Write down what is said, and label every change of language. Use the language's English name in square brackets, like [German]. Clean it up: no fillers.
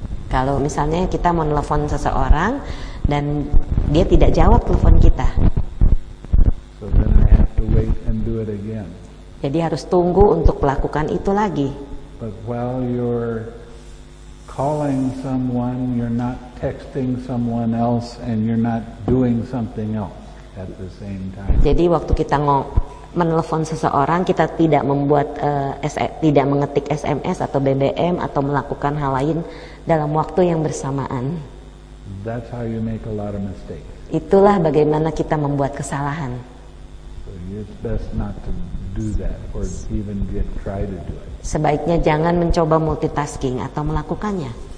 [Indonesian] Kalau misalnya kita mau telepon seseorang dan dia tidak jawab telepon kita. [English] So then I have to wait and do it again. [Indonesian] Jadi harus tunggu untuk melakukan itu lagi. [English] But while you're calling someone, you're not texting someone else and you're not doing something else at the same time. [Indonesian] Jadi waktu kita menelpon seseorang, kita tidak membuat tidak mengetik SMS atau BBM atau melakukan hal lain dalam waktu yang bersamaan. [English] That's how you make a lot of mistakes. [Indonesian] Itulah bagaimana kita membuat kesalahan. [English] So it's best not to do that or even get try to do it. [Indonesian] Sebaiknya jangan mencoba multitasking atau melakukannya.